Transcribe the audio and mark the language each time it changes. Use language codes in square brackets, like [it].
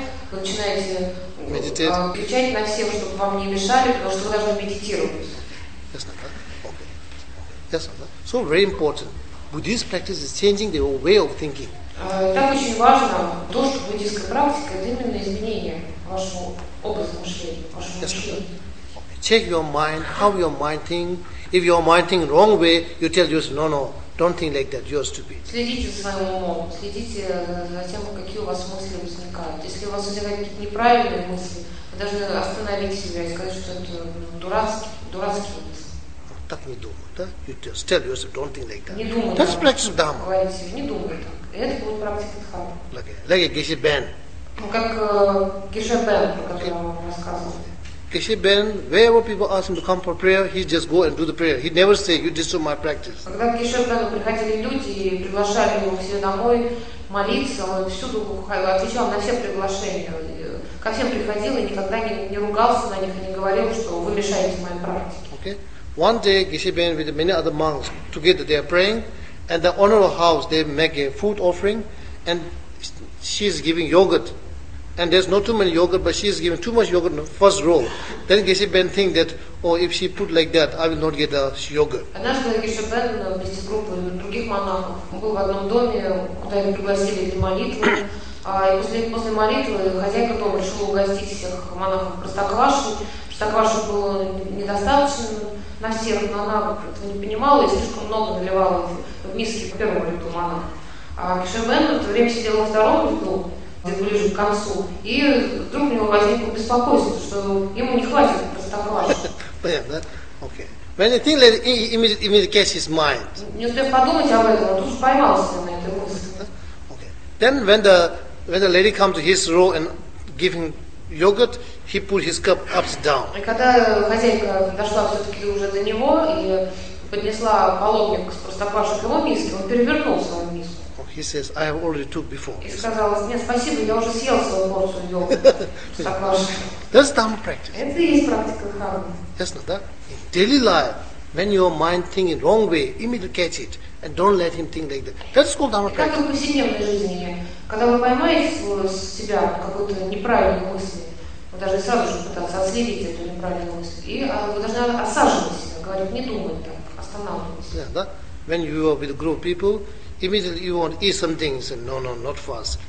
[ru] Начинаете кричать на всех, чтобы вам не мешали, потому что вы должны медитировать. [en] Yes, not that. Okay. Yes, not that. So very important. Buddhist practice is changing the way of thinking. [ru] Так очень важно то, что буддийская практика это именно изменение вашего образа мышления, вашего мышления. [en] Check your mind, how your mind think. If your mind think wrong way, you tell yourself, no, no, Don't think like that. You're stupid. [ru] Следите за своим умом. Следите за тем, какие у вас мысли возникают. Если у вас возникают какие-то неправильные мысли, вы должны остановить себя и сказать, что это дурацкие мысли. Так не думай, да? [en] You just tell yourself, don't think like that. [ru] Не думай. [en] That's practice of dharma. [ru] Говорите себе, не думай так. Это будет практика дхармы. [en] Like a Geshe Ben. [ru] Ну, как Geshe Ben, про которого вы рассказывали. [en] Geshe Ben, wherever people ask him to come for prayer, he just go and do the prayer. He never say, you disturb my practice. [ru] Когда к Geshe Ben приходили люди и приглашали его все домой молиться, он всюду отвечал на все приглашения. Ко всем приходил и никогда не ругался на них и не говорил, что вы мешаете моей практике. [en] Okay. One day, Geshe Ben with many other monks, together they are praying, and the owner of the house, they make a food offering, and she is giving yogurt. And there's not too many yogurt, but she's given too much yogurt in the first row. Then Geshe Ben think that, oh, if she put like that, I will not get the yogurt. [ru] Однажды Geshe Ben вместе с группой других монахов был в одном доме, куда его пригласили для молитвы. И после молитвы хозяйка дома решила угостить всех монахов простоквашей. Простоквашу было недостаточно на всех, но она этого не понимала и слишком много наливала в миски по первому ряду монаха. А Geshe Ben в то время сидела во втором ряду, ближе к концу. И вдруг у него возникло беспокойство, что ему не хватит простоквашки. Не успев подумать об этом, он тут же поймался на этой мысли. [en] Okay. Then when the lady comes to his row and give him yogurt, he put his cup upside down. [ru] И когда хозяйка дошла все-таки уже до него и поднесла половник с простоквашей к его миске, он перевернул свою миску. [en] He says, I have already took before. [ru] И сказал, нет, спасибо, я уже съел свою порцию йогурта. [en] That's dharma practice. [ru] Это и есть практика дхармы. [en] Yes, not that. In daily life, when your mind thinks in wrong way, immediately catch it and don't let him think like that. That's called dharma practice. [ru] Как в повседневной жизни, когда вы поймаете себя какую-то неправильную мысль, вы должны сразу же пытаться отследить эту неправильную мысль. И вы должны осаживать себя, говорить, не думать так, останавливаться. Yeah, да? [en] When you are with a group of people, immediately you want to eat something, you say, no, no, not fast.